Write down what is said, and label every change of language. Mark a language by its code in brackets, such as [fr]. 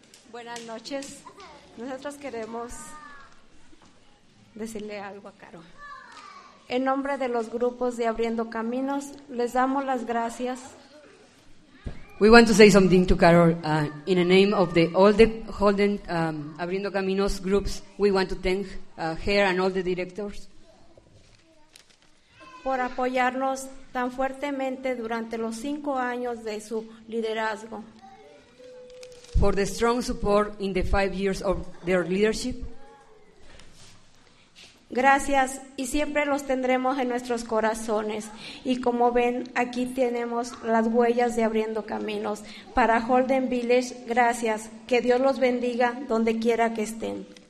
[es] Buenas noches. Nosotros queremos decirle algo a Caro. En nombre de los grupos de Abriendo Caminos, les damos las gracias. [en] We want to say something to Carol in the name of the all the Holden Abriendo Caminos groups. We want to thank her and all the directors [es] por apoyarnos tan fuertemente durante los 5 años de su liderazgo. [en] For the strong support in the 5 years of their leadership. [es] Gracias, y siempre los tendremos en nuestros corazones. Y como ven, aquí tenemos las huellas de Abriendo Caminos. Para Holden Village, gracias. Que Dios los bendiga donde quiera que estén.